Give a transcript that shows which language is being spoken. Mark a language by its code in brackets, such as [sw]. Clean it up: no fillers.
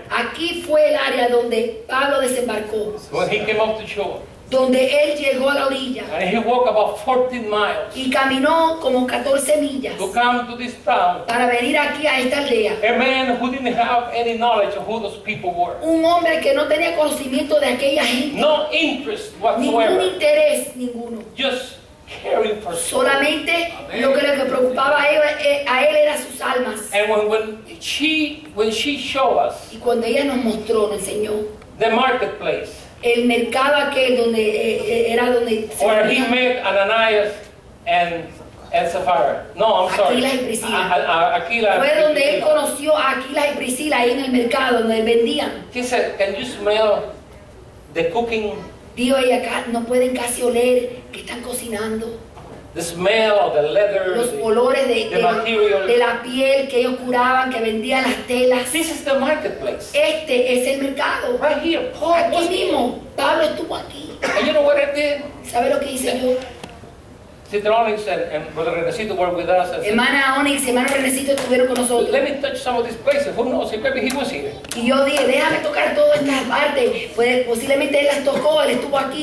[es] Aquí fue el área donde Pablo desembarcó. [en] When he came off the shore. [es] Donde él llegó a la orilla. [en] And he walked about 14 miles. [es] Y caminó como 14 millas. [en] To come to this town. [es] Para venir aquí a esta aldea. [en] A man who didn't have any knowledge of who those people were. [es] Un hombre que no tenía conocimiento de aquella gente. [en] No interest whatsoever. [es] Ningún interés ninguno. [en] Just caring for souls. [es] Solamente lo que le preocupaba a él era sus almas. [en] And when she showed us. [es] Y cuando ella nos mostró, nos enseñó. [en] The marketplace. [es] el mercado aquel donde era donde [en] where he met Ananias and Sapphira. No, I'm sorry. [es] Aquila fue donde él conoció a Aquila y Priscila ahí en el mercado donde vendían. [en] He said, can you smell the cooking? [es] Dijo ahí acá, no pueden casi oler que están cocinando. [en] The smell of the leather, [es] los olores de la piel que ellos curaban, que vendían las telas. [en] This is the marketplace. [es] Este es el mercado. [en] Right here, Paul. [es] Aquí mismo, Pablo estuvo aquí. [en] And you know what I did? [es] ¿Sabe lo que hice yo? [en] Sister Onyx and Brother Renecito were with us. [es] Hermana Onyx y hermano Renecito estuvieron con nosotros. [en] Let me touch some of these places. Who knows? Maybe he was here. [es] Y yo dije, déjame tocar todas estas partes. Pues posiblemente él las tocó, él estuvo aquí.